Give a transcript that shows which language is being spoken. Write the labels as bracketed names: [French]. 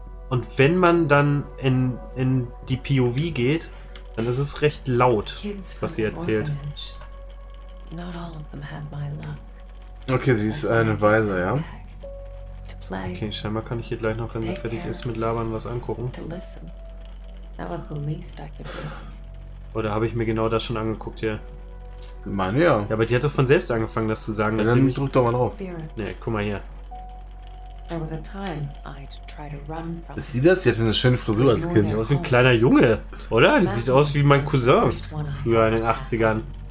[German] Und wenn man dann in die POV geht, dann ist es recht laut, was sie erzählt. [English] Not all of them had my luck. [German] Okay, sie ist eine Weise, ja. Okay, scheinbar kann ich hier gleich noch, wenn sie fertig ist, mit Labern was angucken. [English] That was the least I could do. [German] Oder habe ich mir genau das schon angeguckt hier? Ich meine, ja. Ja, aber die hat doch von selbst angefangen, das zu sagen. Ja, dann drück doch mal drauf. Nee, guck mal hier. [English] There was a time I'd try to run from. [German] Ist sie das? Sie hatte eine schöne Frisur als Kind. Sie sieht aus wie ein kleiner Junge, oder? Die sieht aus wie mein Cousin früher in den 80ern.